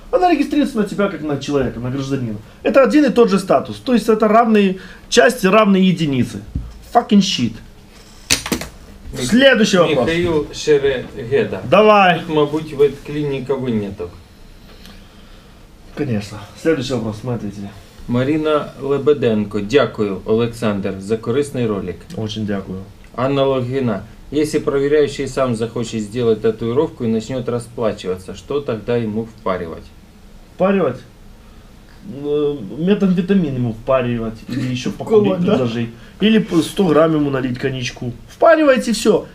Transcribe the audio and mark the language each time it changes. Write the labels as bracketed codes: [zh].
[ru] Она регистрируется на тебя, как на человека, на гражданина. Это один и тот же статус. То есть это равные части, равные единицы. [en] Fucking shit. [ru] Следующий вопрос. Михаил Шерегеда. Давай. Тут, мабуть, в этой клинике вы нету. Конечно. Следующий вопрос, смотрите. Марина Лебеденко. [uk] Дякую, Олександр, за корисний ролик. [ru] Очень дякую. Анна Логіна. Если проверяющий сам захочет сделать татуировку и начнет расплачиваться, что тогда ему впаривать? Впаривать? Метамфетамин ему впаривать. Или еще похудеть, предложить. Или 100 грамм ему налить коньячку. Впаривайте, все.